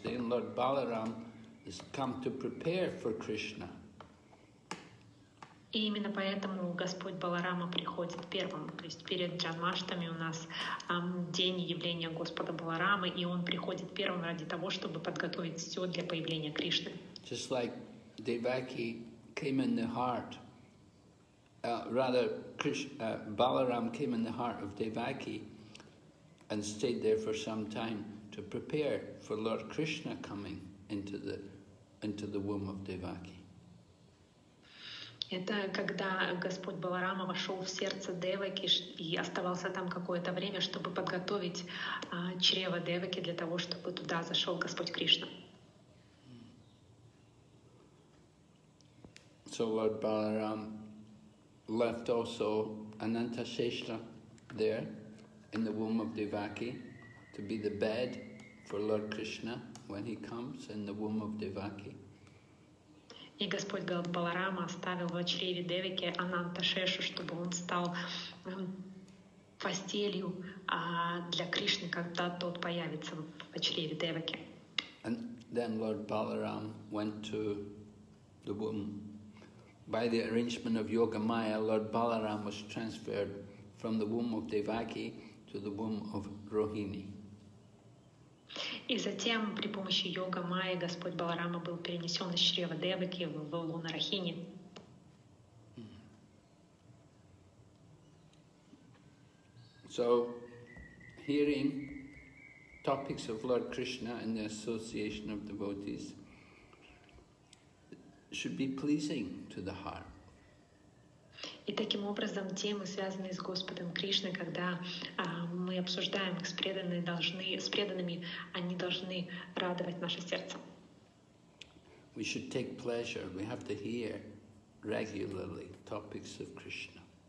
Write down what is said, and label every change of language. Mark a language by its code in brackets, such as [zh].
[en] Then Lord Balaram has come to prepare for Krishna. [ru] И именно поэтому Господь Баларама приходит первым. То есть перед Джанмаштами у нас день явления Господа Баларамы, и он приходит первым ради того, чтобы подготовить все для появления Кришны. [en] Just like Devaki came in the heart, Balaram came in the heart of Devaki and stayed there for some time to prepare for Lord Krishna coming into the womb of Devaki. [ru] Это когда Господь Баларама вошел в сердце Деваки и оставался там какое-то время, чтобы подготовить чрево Деваки для того, чтобы туда зашел Господь Кришна. [en] So Lord Balaram left also Ananta Sheshra there in the womb of Devaki to be the bed for Lord Krishna when he comes in the womb of Devaki. [ru] И Господь Баларама оставил в чреве Девики Ананта-Шешу, чтобы он стал постелью для Кришны, когда тот появится в чреве Девики. [en] And then Lord Balaram went to the womb. By the arrangement of Yogamaya, Lord Balaram was transferred from the womb of Devaki to the womb of Rohini. [ru] И затем при помощи йога майи Господь Баларама был перенесен из чрева Деваки в луна Рахини. [en] So, hearing topics of Lord Krishna in the association of devotees should be pleasing to the heart. [ru] И таким образом темы, связанные с Господом Кришной, когда мы обсуждаем их с преданными, они должны радовать наше сердце. [en] We should take pleasure. We have to hear regularly topics of Krishna.